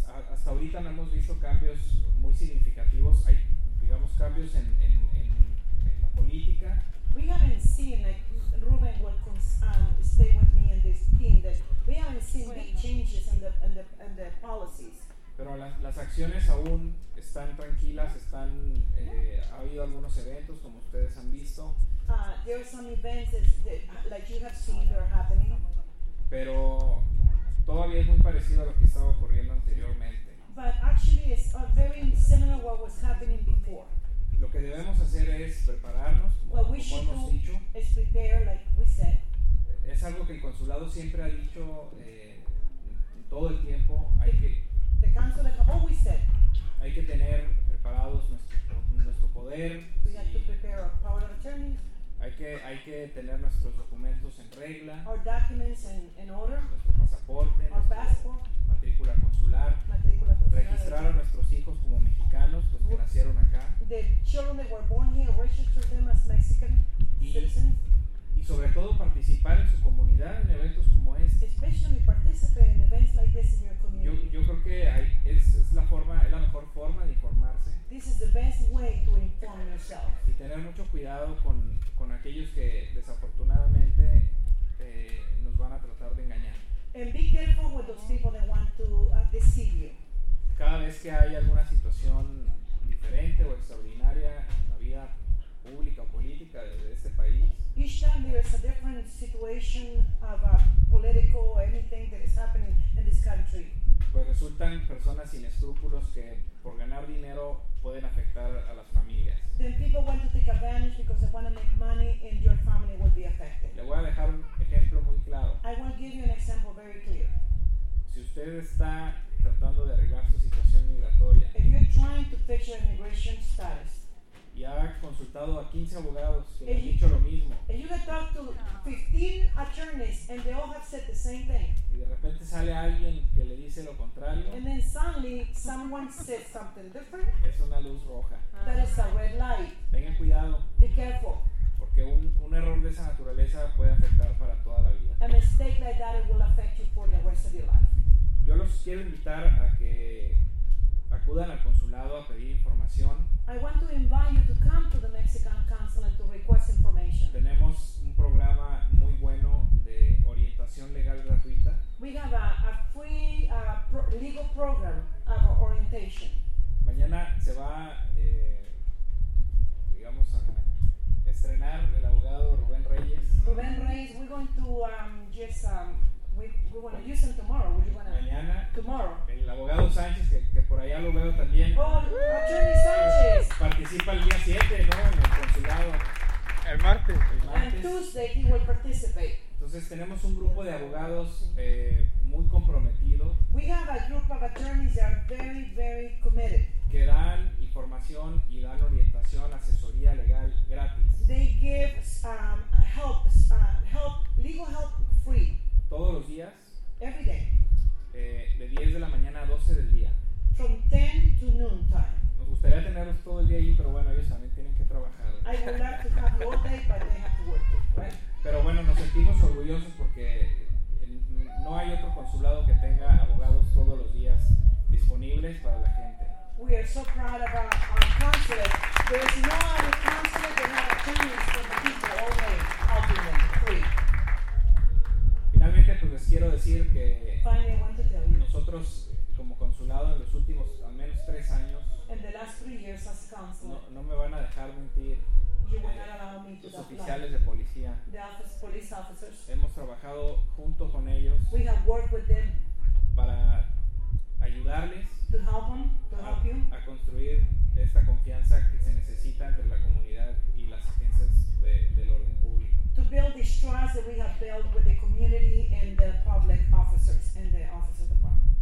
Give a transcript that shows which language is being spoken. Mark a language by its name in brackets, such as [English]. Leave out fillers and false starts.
[Spanish] Hasta ahorita no hemos visto cambios muy significativos. Hay, digamos, cambios en la política. [English] We haven't seen, like Ruben will stay with me in this team, that we haven't seen big changes in the policies. [Spanish] Pero las acciones aún están tranquilas, están, ha habido algunos eventos, como ustedes han visto. [English] There are some events that you have seen that are happening. [Spanish] Pero todavía es muy parecido a lo que estaba ocurriendo anteriormente. [English] But actually it's very similar to what was happening before. [Spanish] Lo que debemos hacer es prepararnos, como hemos dicho. [English] Is prepare, like we said. [Spanish] Es algo que el consulado siempre ha dicho todo el tiempo, hay que... [English] The council has always said. [Spanish] Hay que tener preparados nuestro poder. [English] We have to prepare our power of attorney. [Spanish] Hay que tener nuestros documentos en regla. [English] Our documents in order. [Spanish] Nuestro pasaporte. [English] Our passport. [Spanish] Matrícula consular. Matrícula consular. Registrar a nuestros hijos como mexicanos, los que nacieron acá. [English] The children that were born here, register them as Mexican citizens. [Spanish] Y sobre todo participar en su comunidad en eventos como este. [English] Especially participate in events like this in your community. [Spanish] Yo creo que es la mejor forma de informarse. [English] This is the best way to inform yourself. [Spanish] Y tener mucho cuidado con aquellos que desafortunadamente nos van a tratar de engañar. [English] And be careful with those people that want to deceive you. [Spanish] Cada vez que hay alguna situación diferente o extraordinaria en la vida pública o política de este país. [English] Each time there is a different situation of a political or anything that is happening in this country. [Spanish] Pues resultan personas sin escrúpulos que por ganar dinero pueden afectar a las familias. [English] Then people want to take advantage because they want to make money and your family will be affected. [Spanish] Le voy a dejar un ejemplo muy claro. [English] I will give you an example very clear. [Spanish] Si usted está tratando de arreglar su situación migratoria. [English] If you're trying to fix your immigration status. [Spanish] Y ha consultado a 15 abogados que han dicho lo mismo. [English] You have talked to 15 attorneys and they all have said the same thing. [Spanish] Y de repente sale alguien que le dice lo contrario. [English] And then suddenly someone says something different. [Spanish] Es una luz roja. [English] That is a red light. [Spanish] Tengan cuidado. [English] Be careful. [Spanish] porque un error de esa naturaleza puede afectar para toda la vida. [English] A mistake like that will affect you for the rest of your life. [Spanish] Yo los quiero invitar a que acudan al consulado a pedir información. [English] I want to invite you to come to the Mexican consulate to request information. [Spanish] Tenemos un programa muy bueno de orientación legal gratuita. [English] We have a free legal program of orientation. [Spanish] Mañana se va digamos a estrenar el abogado Rubén Reyes. [English] Rubén Reyes, we're going to we want to use him tomorrow. We're going to [Spanish] mañana. [English] Tomorrow. [Spanish] El abogado Sánchez que por allá lo veo también. [English] Oh, Attorney Sánchez. [Spanish] Participa el día 7, ¿no? En el consulado. El martes. El martes. [English] And Tuesday he will participate. [Spanish] Entonces tenemos un grupo de abogados muy comprometido. [English] We have a group of attorneys that are very, very committed. [Spanish] Que dan información y dan orientación, asesoría legal gratis. [English] They give help, legal help free. [Spanish] Todos los días. [English] Every day. [Spanish] De 10 de la mañana a 12 del día. [English] From 10 to noon time. [Spanish] Nos gustaría tenerlos todo el día ahí, pero bueno, ellos también tienen que trabajar. [English] I would love to have you all day, but they have to work too, right? [Spanish] Pero bueno, nos sentimos orgullosos porque no hay otro consulado que tenga abogados todos los días disponibles para la gente. [English] We are so proud of our consulate. There is no other consulate that has attorneys for the people all day helping them free. [Spanish] Finalmente, pues les quiero decir que [English] finally, I want to tell you. [Spanish] Nosotros como consulado en los últimos al menos 3 años [English] in the last 3 years as consulate, [Spanish] no me van a dejar mentir. Los oficiales de policía. Hemos trabajado junto con ellos. [English] We have worked with them [Spanish] para ayudarles [English] to help you. [Spanish] A construir esta confianza que se necesita entre la comunidad y las agencias del orden público. [English] To build this trust that we have built with the community and the public officers and the officer department.